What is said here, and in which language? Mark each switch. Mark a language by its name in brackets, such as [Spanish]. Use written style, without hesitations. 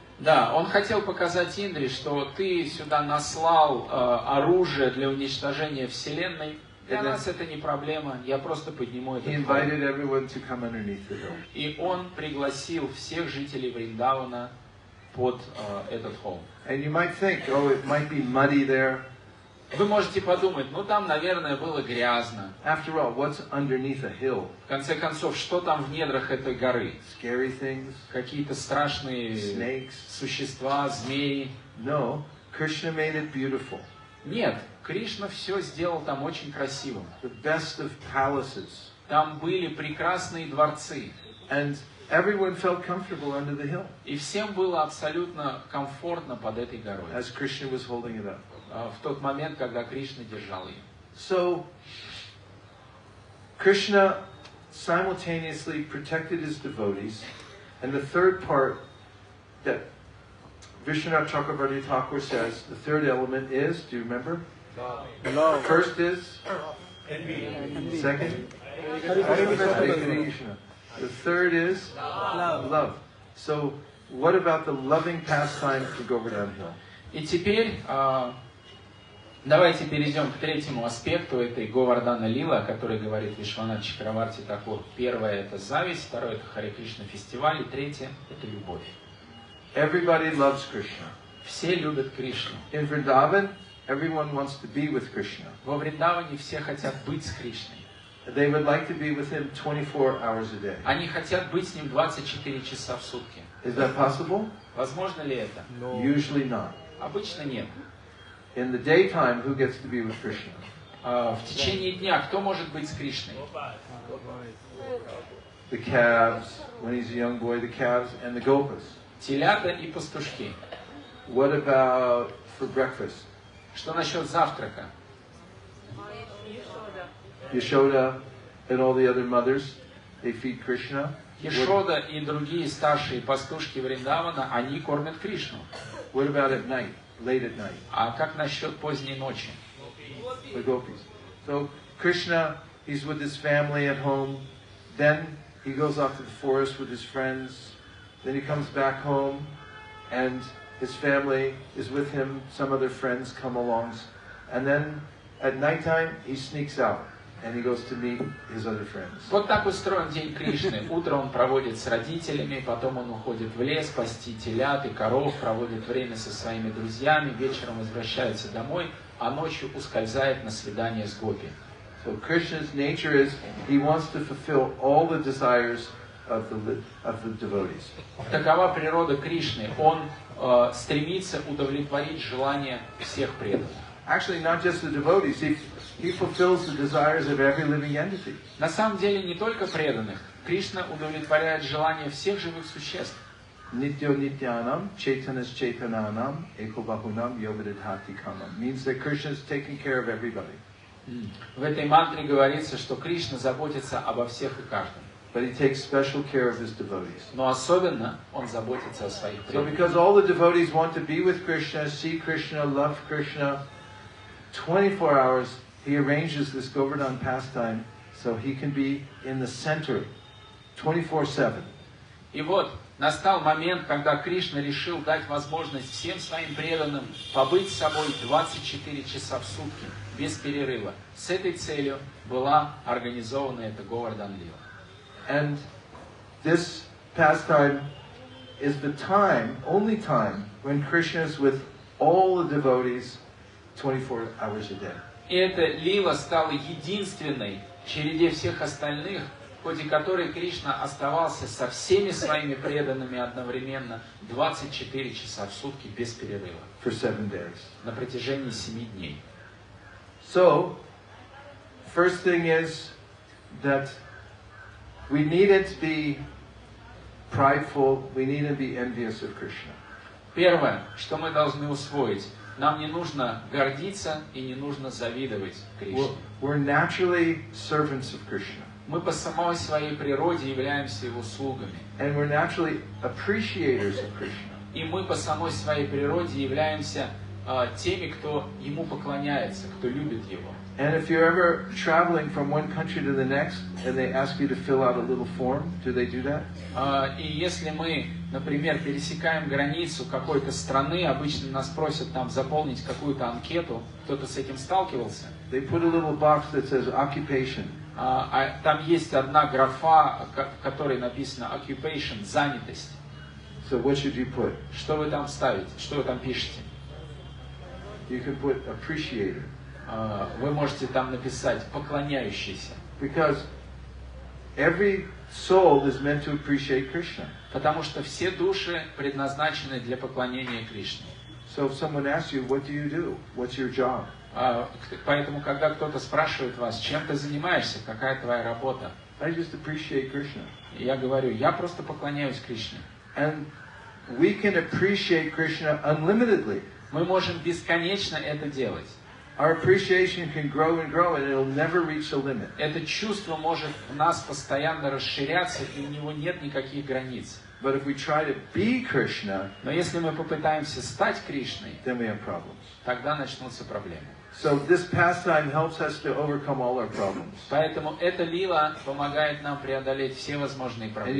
[Russian] Да, он хотел показать Индре, что ты сюда наслал оружие для уничтожения вселенной. Для нас это не проблема. Я просто подниму этот холм. И он пригласил всех жителей Вриндавана под этот холм. [English] And you might think, oh, it might be muddy there. [Russian] Вы можете подумать, ну там, наверное, было грязно. [English] After all, what's underneath a hill? [Russian] В конце концов, что там в недрах этой горы? [English] Scary things. [Russian] Какие-то страшные [English] snakes. [Russian] Существа, змеи. [English] No, Krishna made it beautiful. [Russian] Нет, Кришна все сделал там очень красивым. [English] The best of palaces. [Russian] Там были прекрасные дворцы. [English] And everyone felt comfortable under the hill. [Russian] И всем было абсолютно комфортно под этой горой. [English] As Krishna was holding it up. [Russian] В тот момент, когда Кришна держал ее. [English] So, Krishna simultaneously protected his devotees. And the third part that Vishnu Chakravarti Thakur says, the third element is, do you remember? Love. First is? Envy. Second? Hare Krishna. The third is? Love. Love. So, what about the loving pastime for Govardhan Hill? [Russian] И теперь, давайте перейдем к третьему аспекту этой Говардана Лила, о которой говорит Вишванат Чакраварти Такур. Первое — это зависть, второе — это Харе Кришна фестиваль, и третье — это любовь. [English] Everybody loves Krishna. [Russian] Все любят Кришну. [English] In Vrindavan, everyone wants to be with Krishna. [Russian] Во Вриндаване все хотят быть с Кришной. [English] They would like to be with him 24 hours a day. [Russian] Они хотят быть с ним 24 часа в сутки. [English] Is that possible? [Russian] Возможно ли это? [English] No. Usually not. [Russian] Обычно нет. [English] In the daytime, who gets to be with Krishna? [Russian] В течение дня кто может быть с Кришной? [English] The calves, when he's a young boy, the calves and the gopas. [Russian] Телята и пастушки. [English] What about for breakfast? [Russian] Что насчет завтрака? [English] Yashoda and all the other mothers, they feed Krishna. [Russian] Yashoda и другие старшие пастушки Вриндавана, они кормят Кришну. [English] What about at night? Late at night. [Russian] А как насчет поздней ночи? [English] The gopis. So Krishna, he's with his family at home. Then he goes off to the forest with his friends. Then he comes back home, and his family is with him. Some other friends come along, and then at night time he sneaks out and he goes to meet his other friends. [Russian] Вот так устроен день Кришны. Утро он проводит с родителями, потом он уходит в лес пасти телят и коров, проводит время со своими друзьями, вечером возвращается домой, а ночью ускользает на свидание с гопи. [English] So Krishna's nature is he wants to fulfill all the desires of the devotees. [Russian] Такова природа Кришны. Он стремится удовлетворить желания всех преданных. [English] Actually, not just the devotees. He fulfills the desires of every living entity. [Russian] На самом деле, не только преданных. Кришна удовлетворяет желания всех живых существ. [Sanskrit] Nityo nityanam, chaitanas chaitananam, ekobahunam, yovadidhati kamam. [English] Means that Krishna is taking care of everybody. [Russian] В этой мантре говорится, что Кришна заботится обо всех и каждом. [English] But he takes special care of his devotees. [Russian] Но особенно он заботится о своих преданных. [English] So because all the devotees want to be with Krishna, see Krishna, love Krishna, 24 hours, he arranges this Govardhan pastime so he can be in the center, 24/7. [Russian] И вот настал момент, когда Кришна решил дать возможность всем своим преданным побыть с собой 24 часа в сутки без перерыва. С этой целью была организована эта Govardhan Lila. [English] And this pastime is the time, only time, when Krishna is with all the devotees 24 hours a day. [Russian] И эта лила стала единственной в череде всех остальных, ходе которой Кришна оставался со всеми своими преданными одновременно 24 часа в сутки без перерыва. [English] For 7 days. [Russian] На протяжении 7 дней. [English] So, first thing is that we needn't be prideful, we needn't be envious of Krishna. [Russian] Первое, что мы должны усвоить, нам не нужно гордиться и не нужно завидовать Кришне. [English] We're naturally servants of Krishna. [Russian] Мы по самой своей природе являемся его слугами. [English] And we're naturally appreciators of Krishna. [Russian] И мы по самой своей природе являемся теми, кто ему поклоняется, кто любит его. [English] And if you're ever traveling from one country to the next and they ask you to fill out a little form, do they do that? [Russian] И если мы, например, пересекаем границу какой-то страны, обычно нас просят там заполнить какую-то анкету. Кто-то с этим сталкивался? [English] They put a little box that says occupation. [Russian] Там есть одна графа, в которой написано [English] occupation, [Russian] занятость. [English] So what should you put? [Russian] Что вы там ставите? Что вы там пишете? [English] You can put appreciator. [Russian] Вы можете там написать поклоняющийся. [English] Because every soul is meant to appreciate Krishna. [Russian] Потому что все души предназначены для поклонения Кришне. [English] So if someone asks you, what do you do? What's your job? [Russian] Поэтому, когда кто-то спрашивает вас, чем ты занимаешься, какая твоя работа? [English] I just appreciate Krishna. [Russian] Я говорю, я просто поклоняюсь Кришне. [English] And we can appreciate Krishna unlimitedly. [Russian] Мы можем бесконечно это делать. [English] Our appreciation can grow and grow, and it'll never reach a limit. [Russian] Это чувство может в нас постоянно расширяться, и у него нет никаких границ. [English] But if we try to be Krishna, [Russian] но если мы попытаемся стать Кришной, [English] then we have problems. [Russian] Тогда начнутся проблемы. [English] So this pastime helps us to overcome all our problems. [Russian] Поэтому эта лила помогает нам преодолеть все возможные проблемы.